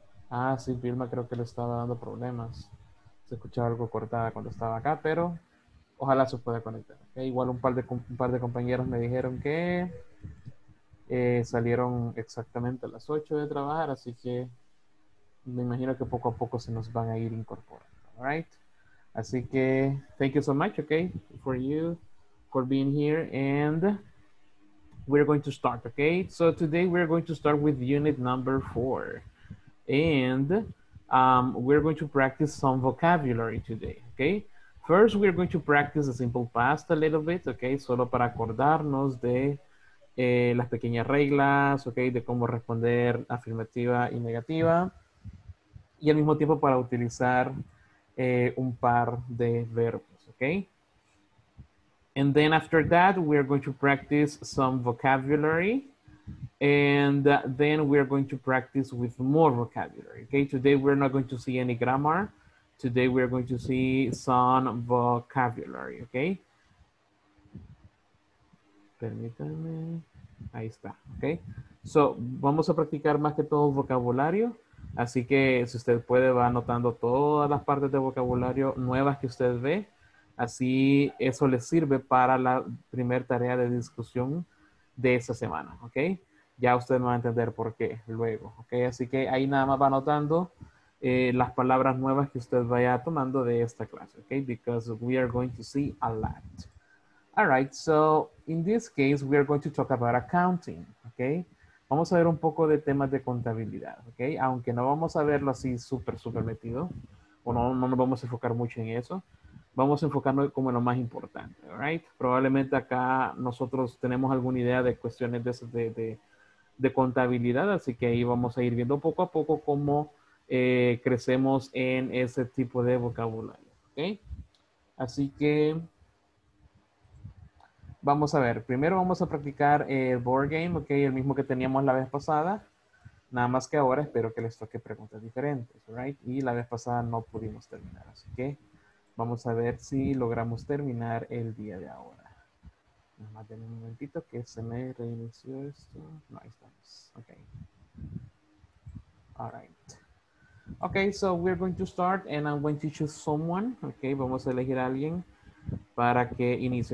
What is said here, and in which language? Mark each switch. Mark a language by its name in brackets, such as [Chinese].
[Spanish] Ah, sí, Vilma creo que le estaba dando problemas. Se escuchaba algo cortada cuando estaba acá, pero ojalá se pueda conectar. Okay, igual un par de compañeros me dijeron que salieron exactamente a las 8 de trabajar, así que me imagino que poco a poco se nos van a ir incorporando. [English] All right. [Spanish] Así que, [English] thank you so much, okay, for you, for being here, and we're going to start, okay? So today we're going to start with unit number 4. And we're going to practice some vocabulary today, okay? First, we're going to practice the simple past a little bit, okay? [Spanish] Solo para acordarnos de las pequeñas reglas, okay? De cómo responder afirmativa y negativa. Y al mismo tiempo para utilizar un par de verbos, okay? [English] And then after that, we're going to practice some vocabulary. And then we're going to practice with more vocabulary, okay? Today, we're not going to see any grammar. Today, we're going to see some vocabulary, okay? [Spanish] Permítanme. Ahí está, okay? So, vamos a practicar más que todo vocabulario. Así que, si usted puede, va anotando todas las partes de vocabulario nuevas que usted ve. Así, eso le sirve para la primera tarea de discusión de esa semana, okay? Ya usted no va a entender por qué luego, ¿ok? Así que ahí nada más va anotando las palabras nuevas que usted vaya tomando de esta clase, ¿ok? [English] Because we are going to see a lot. All right, so in this case, we are going to talk about accounting, ¿ok? [Spanish] Vamos a ver un poco de temas de contabilidad, ¿ok? Aunque no vamos a verlo así súper, súper metido, o no nos vamos a enfocar mucho en eso, vamos a enfocarnos como en lo más importante, ¿all right? Probablemente acá nosotros tenemos alguna idea de cuestiones de esas de contabilidad, así que ahí vamos a ir viendo poco a poco cómo crecemos en ese tipo de vocabulario, ¿ok? Así que vamos a ver. Primero vamos a practicar el board game, ¿ok? El mismo que teníamos la vez pasada, nada más que ahora espero que les toque preguntas diferentes, ¿right? Y la vez pasada no pudimos terminar, así que vamos a ver si logramos terminar el día de ahora. Nada más denme un momentito que se me reinició esto. No, ahí estamos. Ok. [English] All right. Ok, so we're going to start and I'm going to choose someone. [Spanish] Ok, vamos a elegir a alguien para que inicie.